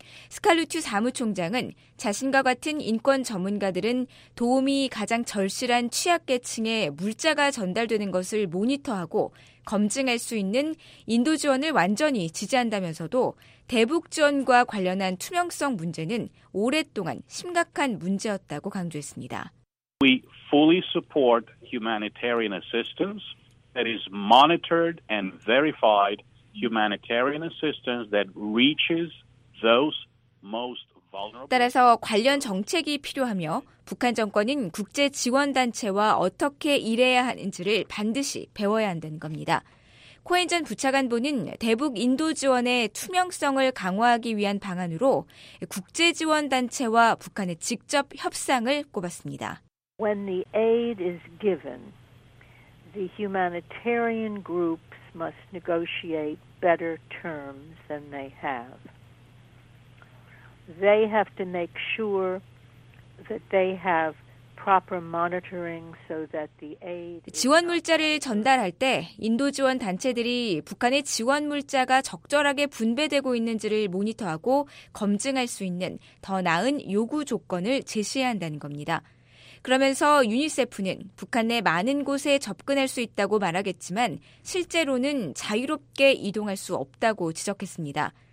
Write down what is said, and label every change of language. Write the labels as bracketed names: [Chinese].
[Korean] 스칼루튜 사무총장은 자신과 같은 인권 전문가들은 도움이 가장 절실한 취약 계층에 물자가 전달되는 것을 모니터하고 검증할 수 있는 인도 지원을 완전히 지지한다면서도 대북 지원과 관련한 투명성 문제는 오랫동안 심각한 문제였다고 강조했습니다. [English] We fully support humanitarian assistance that is monitored and verified humanitarian assistance that reaches those most vulnerable. [Korean] 따라서 관련 정책이 필요하며 북한 정권은 국제 지원 단체와 어떻게 일해야 하는지를 반드시 배워야 한다는 겁니다. 코엔 전 부차관보는 대북 인도 지원의 투명성을 강화하기 위한 방안으로 국제 지원 단체와 북한의 직접 협상을 꼽았습니다. [English] When the aid is given, the humanitarian groups must negotiate better terms than they have. They have to make sure that they have proper monitoring so that the aid [Korean] 지원 물자를 전달할 때 인도 지원 단체들이 북한의 지원 물자가 적절하게 분배되고 있는지를 모니터하고 검증할 수 있는 더 나은 요구 조건을 제시해야 한다는 겁니다. 그러면서 유니세프는 북한 내 많은 곳에 접근할 수 있다고 말하겠지만 실제로는 자유롭게 이동할 수 없다고 지적했습니다.